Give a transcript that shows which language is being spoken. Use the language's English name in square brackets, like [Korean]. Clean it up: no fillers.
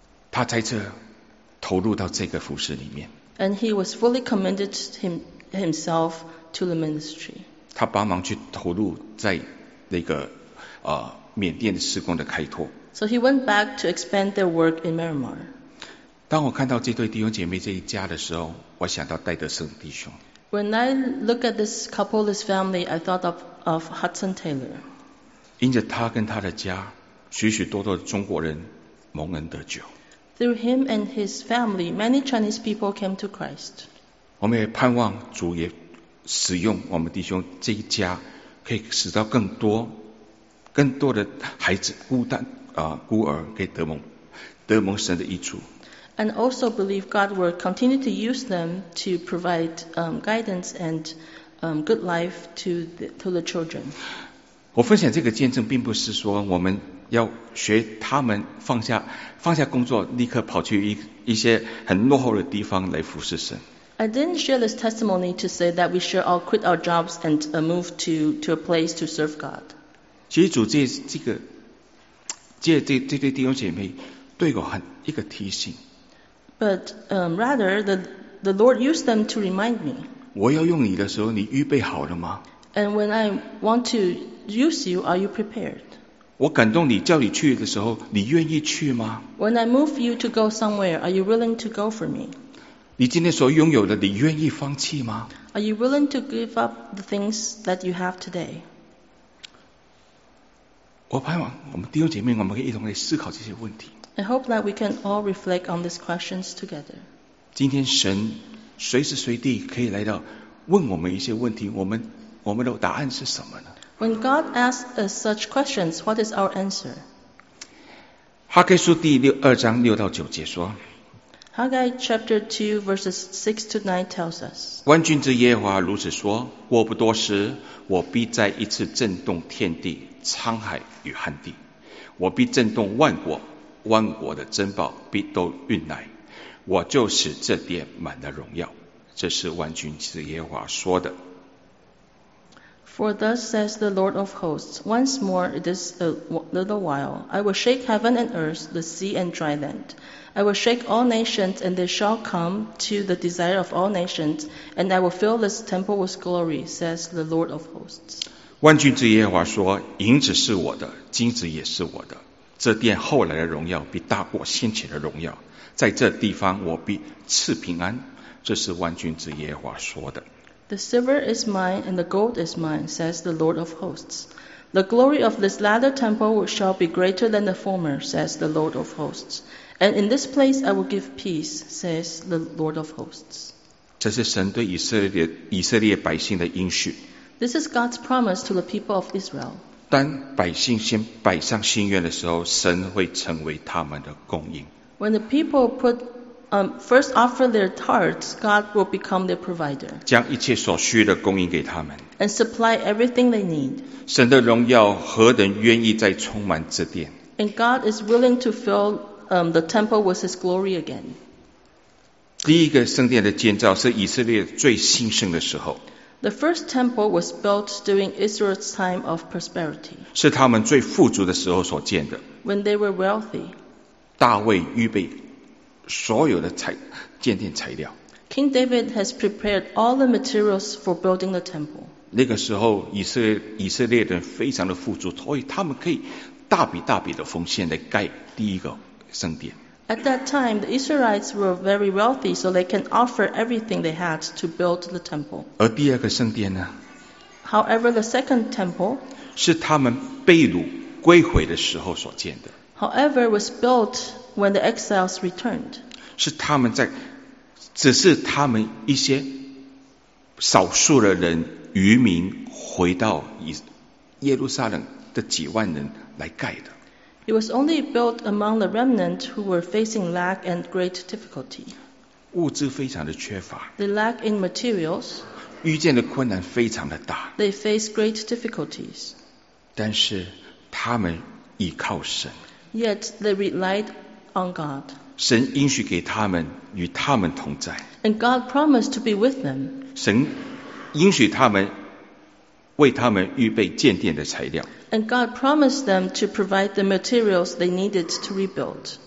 [Chinese] 他在这投入到这个服事里面。 [English] And he was fully committed himself to the ministry. [Chinese] 他帮忙去投入在那个缅甸施工的开拓。 [English] So he went back to expand their work in Myanmar. [Chinese] 当我看到这对弟兄姐妹这一家的时候，我想到戴德胜弟兄。 [English] When I look at this couple, this family, I thought of Hudson Taylor. [Chinese] 因着他跟他的家，许许多多的中国人蒙恩得救。 [English] Through him and his family, many Chinese people came to Christ. [Chinese] 我们也盼望主也使用我们弟兄这一家，可以使到更多的孩子孤儿可以得蒙神的益处。 [English] And also believe God will continue to use them to provide guidance and good life to the children. [Chinese] 我分享这个见证，并不是说我们要学他们放下工作，立刻跑去一些很落后的地方来服侍神。 [English] I didn't share this testimony to say that we should all quit our jobs and move to a place to serve God. [Chinese] 其实主借这对弟兄姐妹对我很一个提醒。 [English] But rather the Lord used them to remind me. [Chinese] 我要用你的时候，你预备好了吗 [English] ？And when I want to use you, are you prepared? [Chinese] 我感动你叫你去的时候，你愿意去吗 [English] ？When I move you to go somewhere, are you willing to go for me? [Chinese] 你今天所拥有的，你愿意放弃吗 [English] ？Are you willing to give up the things that you have today? [Chinese] 我盼望我们弟兄姐妹，我们可以一同来思考这些问题。 [English] I hope that we can all reflect on these questions together. [Chinese] 今天神随时随地可以来到问我们一些问题，我们的答案是什么呢 [English] ？When God asks us such questions, what is our answer? [Chinese] 哈该书2:6-9说 [English] ，Haggai chapter 2:6-9 tells us. [Chinese] 万军之耶和华如此说：过不多时，我必再一次震动天地、沧海与旱地，我必震动万国。万国的珍宝必都运来，我就使这殿满了荣耀。这是万军之耶和华说的。 [English] For thus says the Lord of hosts, once more it is a little while, I will shake heaven and earth, the sea and dry land. I will shake all nations, and they shall come to the desire of all nations, and I will fill this temple with glory, says the Lord of hosts. [Chinese] 万军之耶和华说：银子是我的，金子也是我的。这殿后来的荣耀必大过先前的荣耀，在这地方我必赐平安。这是万军之耶和华说的。 [English] The silver is mine and the gold is mine, says the Lord of hosts. The glory of this latter temple shall be greater than the former, says the Lord of hosts. And in this place I will give peace, says the Lord of hosts. [Chinese] 这是神对以色列百姓的应许。 [English] This is God's promise to the people of Israel. [Chinese] 当百姓先摆上心愿的时候，神会成为他们的供应。 [English] When the people put first offer their hearts, God will become their provider. [Chinese] 将一切所需的供应给他们。 [English] And supply everything they need. [Chinese] 神的荣耀何等愿意再充满这殿。 [English] And God is willing to fill the temple with His glory again. [Chinese] 第一个圣殿的建造是以色列最兴盛的时候。 [English] The first temple was built during Israel's time of prosperity. [Chinese] 是他们最富足的时候所建的。 [English] When they were wealthy. [Chinese] 大卫预备所有的建殿材料。 [English] King David has prepared all the materials for building the temple. [Chinese] 那个时候以色列人非常的富足，所以他们可以大笔大笔的奉献来盖第一个圣殿。 [English] At that time, the Israelites were very wealthy, so they can offer everything they had to build the temple. [Chinese] 而第二个圣殿呢 [English] ？However, the second temple [Chinese] 是他们被掳归回的时候所建的。 [English] However, was built when the exiles returned. [Chinese] 是他们在，只是他们一些少数的人渔民回到耶路撒冷的几万人来盖的。 [English] It was only built among the remnant who were facing lack and great difficulty. [Chinese] 物质非常的缺乏。 [English] They lack in materials. [Chinese] 遇见的困难非常的大。 [English] They face great difficulties. [Chinese] 但是他们依靠神。 [English] Yet they relied on God. [Chinese] 神应许给他们与他们同在。 [English] And God promised to be with them. [Chinese] 神应许他们为他们预备建殿的材料。 [English] And God promised them to provide the materials they needed to rebuild.